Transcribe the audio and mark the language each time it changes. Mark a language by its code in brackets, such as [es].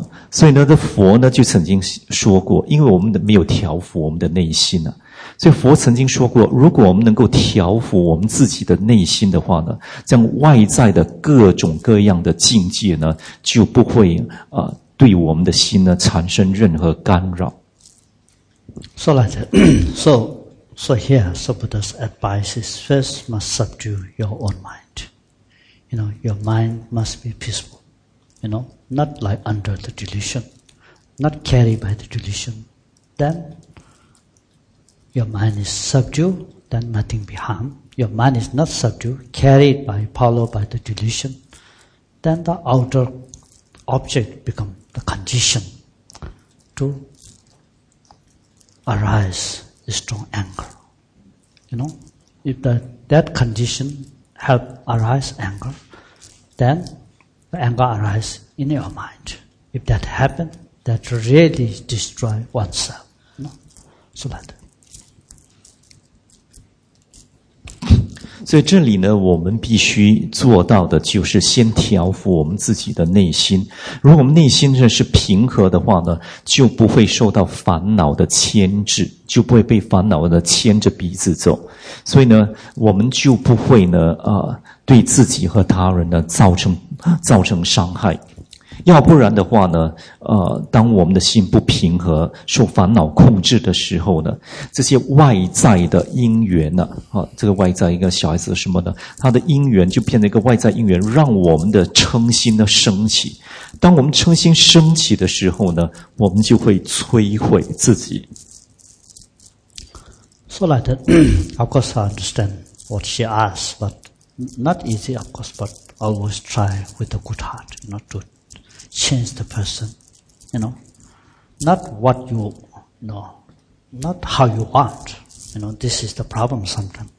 [zh] 所以呢，这佛呢就曾经说过，因为我们没有调伏我们的内心呢，所以佛曾经说过，如果我们能够调伏我们自己的内心的话呢，将外在的各种各样的境界呢，就不会对我们的心呢产生任何干扰。 [en] So like that, so here, so Buddha's advice is first must subdue your own mind. You know, your mind must be peaceful. You know. Not like under the delusion, not carried by the delusion. Then your mind is subdued, then nothing be harmed. Your mind is not subdued, carried by, followed by the delusion. Then the outer object become the condition to arise a strong anger. You know, if that condition help arise anger, then the anger arise. In your mind, if that happens, that really destroy oneself. No, so like that. [zh] 所以这里呢，我们必须做到的就是先调伏我们自己的内心。如果我们内心是平和的话呢，就不会受到烦恼的牵制，就不会被烦恼的牵着鼻子走。所以呢，我们就不会呢，对自己和他人呢造成伤害。要不然的话呢，当我们的心不平和、受烦恼控制的时候呢，这些外在的因缘呢，这个外在一个小孩子什么的，他的因缘就变成一个外在因缘，让我们的嗔心呢升起。当我们嗔心升起的时候呢，我们就会摧毁自己。 [en] So like that, of course I understand what she asks, but not easy, of course, but always try with a good heart, not to. Change the person, you know, not what you know, not how you want, you know, this is the problem sometimes.